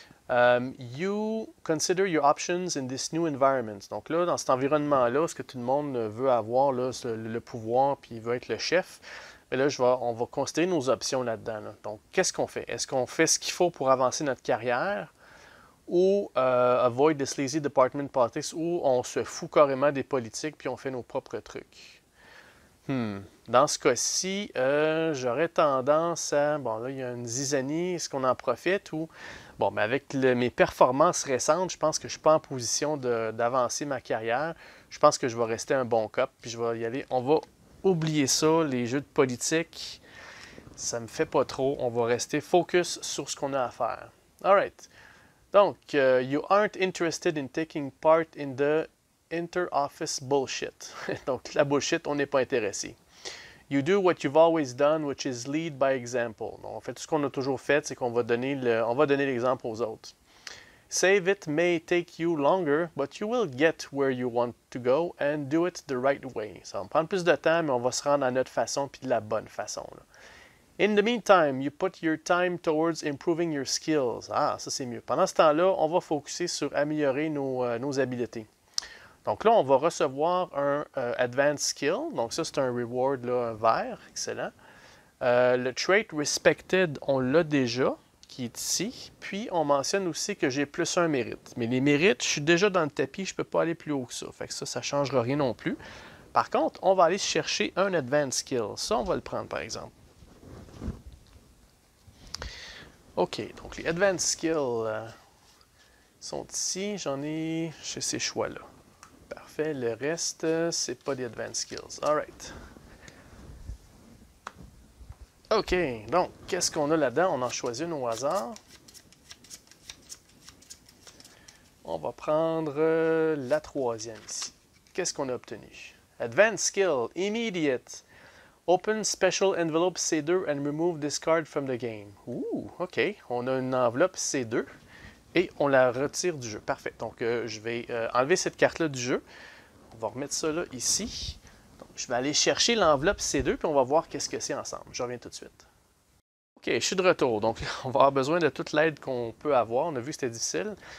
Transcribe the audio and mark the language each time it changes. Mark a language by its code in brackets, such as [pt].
[en] You consider your options in this new environment. [fr] Donc là, dans cet environnement-là, ce que tout le monde veut avoir, là, le pouvoir, puis il veut être le chef, mais là, on va considérer nos options là-dedans. Là. Donc, qu'est-ce qu'on fait? Est-ce qu'on fait ce qu'il faut pour avancer notre carrière? Ou [en] avoid the sleazy department politics, [fr] où on se fout carrément des politiques, puis on fait nos propres trucs? Dans ce cas-ci, j'aurais tendance à... Bon, là, il y a une zizanie, est-ce qu'on en profite ou... Bon, mais avec mes performances récentes, je pense que je ne suis pas en position d'avancer ma carrière. Je pense que je vais rester un bon cop, puis je vais y aller. On va oublier ça, les jeux de politique, ça ne me fait pas trop. On va rester focus sur ce qu'on a à faire. [en] All right. Donc, you aren't interested in taking part in the inter-office bullshit. [fr] Donc, la bullshit, on n'est pas intéressé. [en] You do what you've always done, which is lead by example. [fr] Donc, en fait, tout ce qu'on a toujours fait, c'est qu'on va donner l'exemple aux autres. [en] Save it may take you longer, but you will get where you want to go and do it the right way. [fr] Ça va prendre plus de temps, mais on va se rendre à notre façon puis de la bonne façon. Là. [en] In the meantime, you put your time towards improving your skills. [fr] Ah, ça c'est mieux. Pendant ce temps-là, on va focuser sur améliorer nos habiletés. Donc là, on va recevoir un Advanced Skill. Donc ça, c'est un reward là, vert. Excellent. Le Trait Respected, on l'a déjà, qui est ici. Puis, on mentionne aussi que j'ai plus un mérite. Mais les mérites, je suis déjà dans le tapis. Je ne peux pas aller plus haut que ça. Fait que ça ne changera rien non plus. Par contre, on va aller chercher un Advanced Skill. Ça, on va le prendre, par exemple. OK. Donc, les Advanced Skills sont ici. J'en ai chez ces choix-là. Parfait, le reste, c'est pas des advanced skills. [en] All right. [fr] OK, donc, qu'est-ce qu'on a là-dedans? On en choisit une au hasard. On va prendre la troisième ici. Qu'est-ce qu'on a obtenu? [en] Advanced skill, immediate. Open special envelope C2 and remove this card from the game. [fr] Ouh, OK, on a une enveloppe C2. Et on la retire du jeu. Parfait. Donc, je vais enlever cette carte-là du jeu. On va remettre ça là, ici. Donc, je vais aller chercher l'enveloppe C2, puis on va voir qu'est-ce que c'est ensemble. Je reviens tout de suite. OK, je suis de retour. Donc, on va avoir besoin de toute l'aide qu'on peut avoir. On a vu que c'était difficile.